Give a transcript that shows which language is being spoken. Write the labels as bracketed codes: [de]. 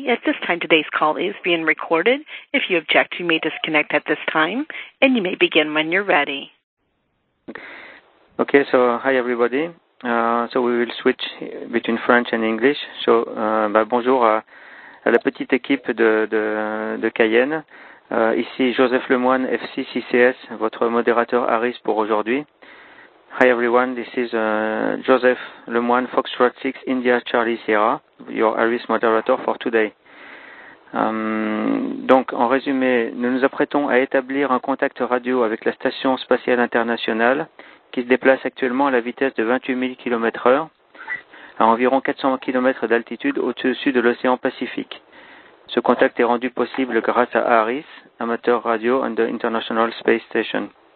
[en] At this time, today's call is being recorded. If you object, you may disconnect at this time, and you may begin when you're ready. Okay, so hi everybody. So we will switch between French and English. [fr] So bonjour à la petite équipe de Cayenne. Ici Joseph Lemoine, FCCCS, votre modérateur Harris pour aujourd'hui. [en] Hi everyone, this is Joseph Lemoine, Foxtrot 6, India, Charlie Sierra, your Harris moderator for today. [fr] Donc, en résumé, nous nous apprêtons à établir un contact radio avec la Station Spatiale Internationale, qui se déplace actuellement à la vitesse de 28 000 km/h, à environ 400 km d'altitude au-dessus de l'océan Pacifique. Ce contact est rendu possible grâce à Harris, [en] amateur radio and the International Space Station.